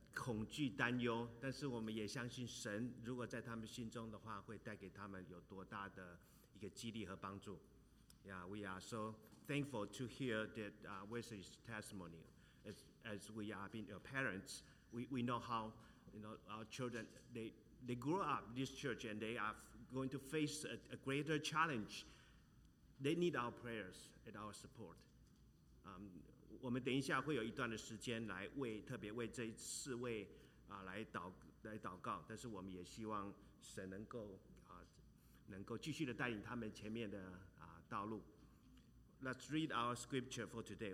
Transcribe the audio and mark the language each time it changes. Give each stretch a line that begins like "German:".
Chinese: 恐惧担忧，但是我们也相信神如果在他们心中的话会带给他们有多大的一个激励和帮助。
English: Yeah, we are so thankful to hear that Wesley's testimony. As we are being your parents, we know how you know, our children, they grow up in this church and they are going to face a greater challenge. They need our prayers and our support.
Chinese: 我们等一下会有一段的时间来为特别为这四位来祷告，但是我们也希望神能够能够继续的带领他们前面的道路。
English: Let's read our scripture for today.